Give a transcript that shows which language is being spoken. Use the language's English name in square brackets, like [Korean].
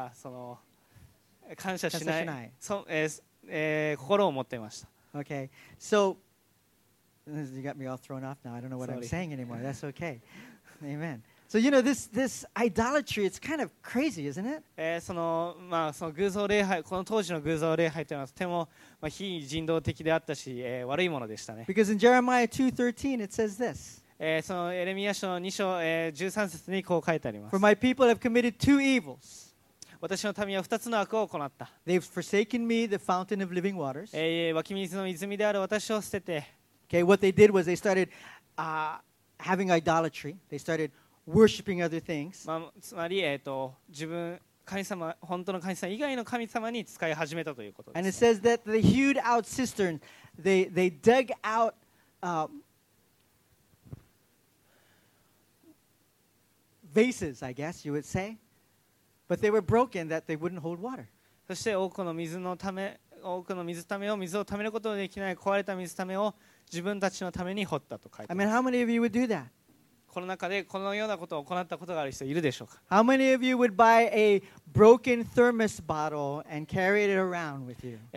[Japanese] その、感謝しない、心を持っていました。 [English] Okay, so, you got me all thrown off now. I don't know what、Sorry. I'm saying anymore. That's okay. Amen. So, you know, this idolatry, it's kind of crazy, isn't it? [Japanese] その、まあ、その偶像礼拝、この当時の偶像礼拝というのはとても、まあ、非人道的であったし、悪いものでしたね。 [English] Because in Jeremiah 2:13, it says this. [Japanese] そのエレミア書の2章、13節にこう書いてあります。 [English] For my people have committed two evils. [Japanese] 私の民は2つの悪を行った。 [English] They've forsaken me, the fountain of living waters. [Japanese] 湧き水の泉である私を捨てて。 [English] Okay, what they did was they started having idolatry. They started worshiping other things. [Japanese] まあ、つまり、自分、神様、本当の神様以外の神様に使い始めたということです、ね。 [English] And it says that they hewed out cisterns. They dug out vases, I guess you would say. But they were broken that they wouldn't hold water. [Japanese] そして多くの水ためを水をためることができない壊れた水ためを自分たちのために掘ったと書いてある。 [English] I mean, how many of you would do that? [Japanese] この中でこのようなことを行ったことがある人いるでしょうか。 [English] How many of you would buy a broken thermos bottle and carry it around with you?